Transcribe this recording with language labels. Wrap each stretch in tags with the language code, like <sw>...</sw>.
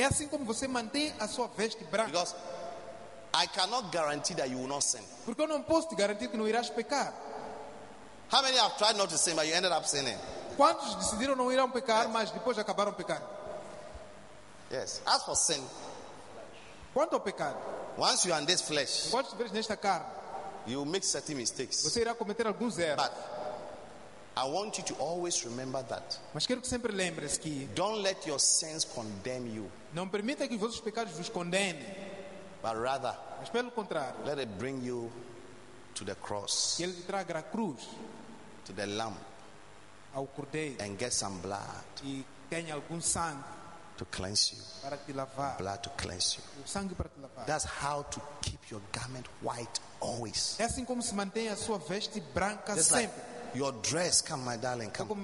<pt>É assim como você mantém a sua veste branca.</pt> <en>Because I cannot guarantee that you will not sin.</en> <pt>Porque eu não posso te garantir que não irás pecar.</pt> <en>How many have tried not to sin but you ended up sinning?</en> <pt>Quantos decidiram não irão pecar, yes, mas depois acabaram pecando?</pt> <en>Yes. As for sin,</en> <pt>quanto ao pecado?</pt> <en>Once you are in this flesh,</en> <pt>quando estiveres nesta carne,</pt> <en>you will make certain mistakes.</en> <pt>Você irá cometer alguns erros.</pt> <en>But I want you to always remember that.</en> <pt>Mas quero que sempre lembres que</pt> <en>don't let your sins condemn you.</en> <pt>Não permita que vossos pecados vos condenem.</pt> <en>But rather,</en> <pt>mas pelo contrário,</pt> <en>let it bring you to the cross.</en> <pt>Que ele traga a cruz,</pt> <en>to the lamb,</en> <pt>ao cordeiro,</pt> <en>and get some blood.</en> <pt>E tenha algum sangue</pt> <en>to cleanse you.</en> <pt>Para te lavar.</pt> <en>Blood to cleanse you.</en> <pt>O sangue para te lavar.</pt> <en>That's how to keep your garment white always.</en> <pt>É assim como se mantém a sua veste branca.</pt> <en>Just</en> <pt>sempre.</pt> <en>Like your dress, come my darling, come.</en>